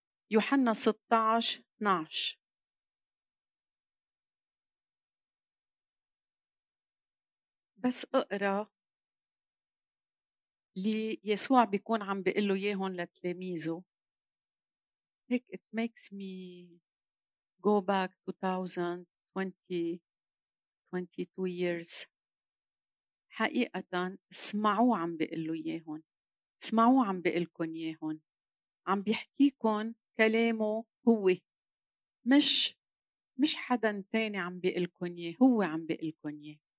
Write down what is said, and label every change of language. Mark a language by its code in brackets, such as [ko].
[ar] يوحنا 16:12، بس اقرأ لي يسوع بيكون عم بيقله ياهن لتلاميذه. هيك [en] it makes me go back 2022 years. [ar] حقيقة اسمعوا عم بيقله ياهن، اسمعوا عم بيقلكن ياهن، عم بيحكيكن كلامه هو، مش حدا تاني عم بيقلكن ياه، هو عم بيقلكن ياه.